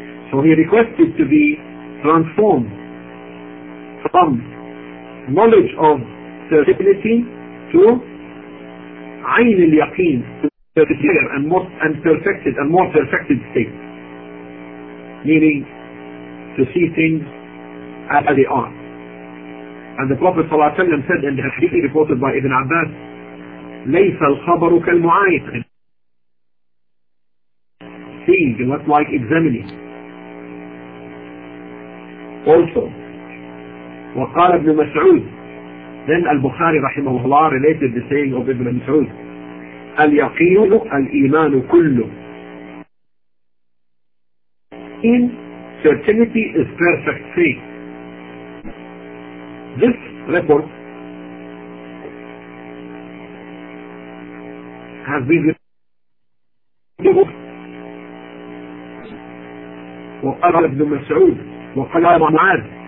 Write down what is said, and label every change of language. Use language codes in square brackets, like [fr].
[en] So he requested to be transformed from knowledge of certainty to عين اليقين, a more perfected state, meaning to see things as they are. And the Prophet صلى الله عليه وسلم said in the hadith reported by Ibn Abbas, ليس الخبر كالمعاين, seeing, not like examining. Also وقال ابن مسعود, then البخاري رحمه الله related the saying of Ibn Mas'ud, اليقين الإيمان كله. In certainty is perfect faith. This report has been reported. [ar] وقال ابن مسعود وقال معاذ,